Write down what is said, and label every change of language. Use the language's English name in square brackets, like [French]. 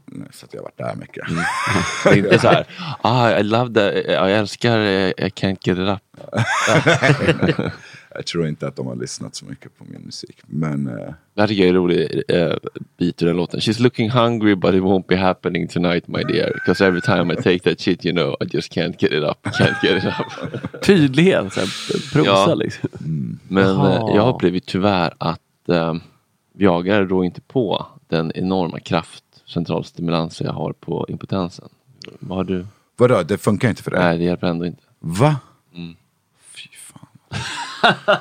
[Swedish] Nej, för att jag har varit där mycket. Det är inte så här. [English] I love that. [Swedish] Jag älskar I Can't Get It Up. Jag tror inte att de har lyssnat så mycket på min musik. Men, Det här tycker jag är en rolig bit ur den låten. [English] She's looking hungry but it won't be happening tonight my dear. Because every time I take that shit you know I just can't get it up. Can't get it up. [Swedish] Tydligen. Så här, prosa ja. Liksom. Mm. Men jag har blivit tyvärr att jagare då inte på den enorma kraft centralstimulans jag har på impotensen. Vad har du? Vadå? Det funkar inte för dig? Nej, det hjälper ändå inte. Va? Mm. Fy fan.